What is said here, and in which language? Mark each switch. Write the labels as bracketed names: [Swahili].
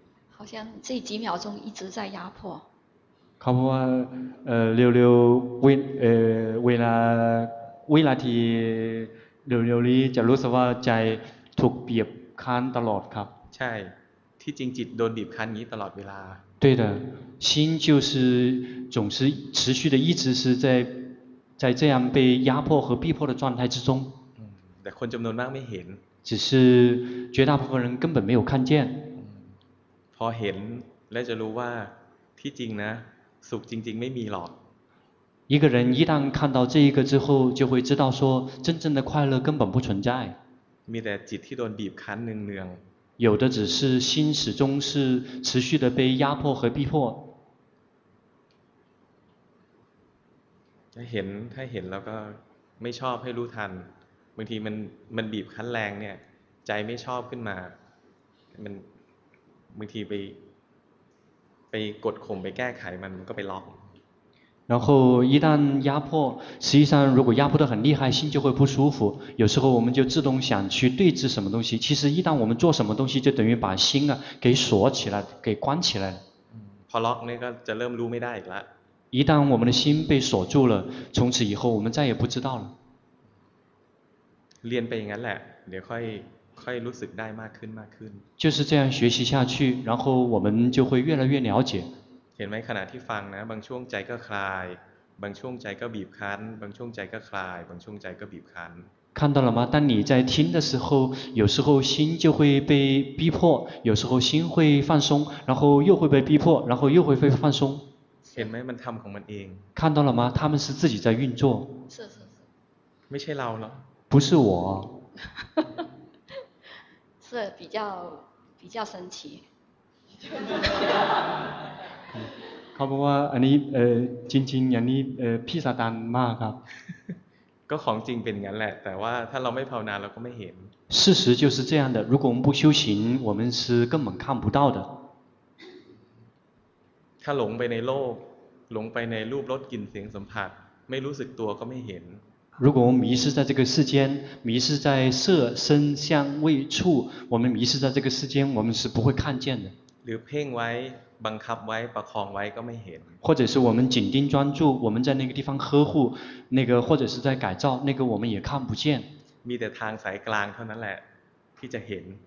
[Chinese] 好像这几秒钟一直在压迫 [Thai] เขาบอกว่าเร็วๆเวลาที่เร็วๆนี้จะรู้สึกว่าใจถูกบีบคั้นตลอดครับ ใช่ที่จริงจิตโดนบีบคั้นอย่างนี้ตลอดเวลา [Chinese] 对的心就是总是持续的一直是在这样被压迫和逼迫的状态之中 [Thai] แต่คนจำนวนมากไม่เห็น [Chinese] 只是绝大部分人根本没有看见 [Thai] พอเห็นและจะรู้ว่าที่จริงนะสุขจริงๆไม่มีหรอก [Chinese] 一个人一旦看到这一个之后就会知道说真正的快乐根本不存在 [Thai] มีแต่จิตที่โดนบีบคั้นเนือง [Chinese] ๆ有的只是心始终是持续的被压迫和逼迫 [Thai] ถ้าเห็นแล้วก็ไม่ชอบให้รู้ทันบางทีมันบีบคั้นแรงเนี่ยใจไม่ชอบขึ้นมามันบางทีไปกดข่มไปแก้ไขมันก็ไปล็อก [Chinese] 然后一旦压迫实际上如果压迫得很厉害心就会不舒服有时候我们就自动想去对治什么东西其实一旦我们做什么东西就等于把心啊给锁起来给关起来 [Thai] พอล็อกนี่ก็จะเริ่มรู้ไม่ได้อีกละ [Chinese] 一旦我们的心被锁住了从此以后我们再也不知道了 [Thai] เรียนไปอย่างนั้นแหละเดี๋ยวค่อยรู้สึกได้มากขึ้นมากขึ้น [Chinese] 就是这样学习下去然后我们就会越来越了解 [Thai] เห็นไหมขณะที่ฟังนะบางช่วงใจก็คลายบางช่วงใจก็บีบคั้นบางช่วงใจก็คลายบางช่วงใจก็บีบคั้น [Chinese] 看到了吗当你在听的时候有时候心就会被逼迫有时候心会放松然后又会被逼迫然后又会被放松 [Thai] เห็นไหมมันทำของมันเอง [Chinese] 看到了吗他们是自己在运作是是是 [Thai] ไม่ใช่เราหร [Chinese] อ不是我是比较神奇 [Thai] เขาบอกว่าอันนี้จริงๆอย่างนี้พี่ซาตานมากครับ ก็ของจริงเป็นงั้นแหละแต่ว่าถ้าเราไม่ภาวนาเราก็ไม่เห็น [Chinese] 事实就是这样的如果我们不修行我们是根本看不到的 [Thai] ถ้าหลงไปในโลกหลงไปในรูปรสกลิ่นเสียงสัมผัสไม่รู้สึกตัวก็ไม่เห็น [Chinese] 如果我们迷失在这个世间迷失在色声香味触我们迷失在这个世间我们是不会看见的 [Thai] หรือเพ่งไว้บังคับไว้ประคองไว้ก็ไม่เห็น [Chinese] 或者是我们紧盯专注我们在那个地方呵护那个或者是在改造那个我们也看不见 [Thai] มีแต่ทางสายกลางเท่านั้นแหละที่จะเห็น